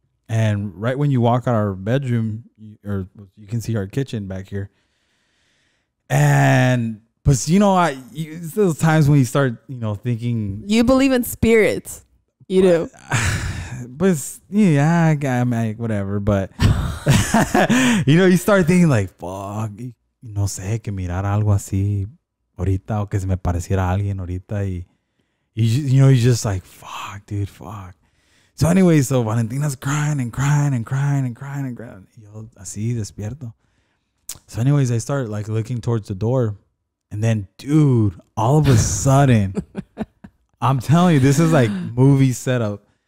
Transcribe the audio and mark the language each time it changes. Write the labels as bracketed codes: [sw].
[en] And right when you walk out our bedroom, you can see our kitchen back here. And but you know, it's those times when you start, you know, thinking. You believe in spirits. You do. But yeah, I mean, whatever. But you know, you start thinking like, fuck. [es] No sé, que mirar algo así ahorita o que se me pareciera alguien ahorita. [en] Y you're just like, fuck, dude, fuck. So anyway, so Valentina's crying and crying and crying and crying and crying. [es] Yo, así, despierto. [en] So anyways, I start like looking towards the door. And then, dude, all of a sudden, I'm telling you, this is like movie setup.